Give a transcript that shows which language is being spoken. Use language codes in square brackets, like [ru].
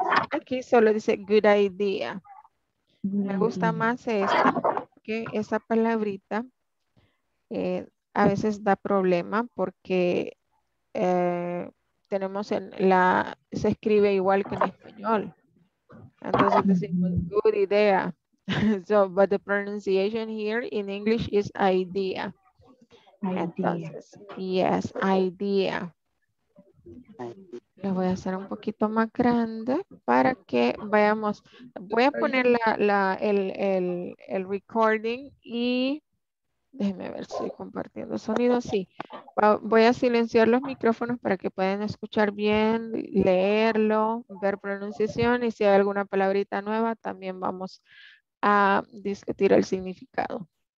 [es] Aquí solo dice, [en] good idea. [es] Me gusta más esto, que esa palabrita a veces da problema porque tenemos se escribe igual que en español. [en] Entonces, this is a good idea. So, but the pronunciation here in English is idea. [es] Entonces, yes, idea. Lo voy a hacer un poquito más grande para que vayamos. Voy a poner el recording y déjeme ver si estoy compartiendo sonido. Sí, voy a silenciar los micrófonos para que puedan escuchar bien, leerlo, ver pronunciación y si hay alguna palabrita nueva, también vamos a discutir el significado.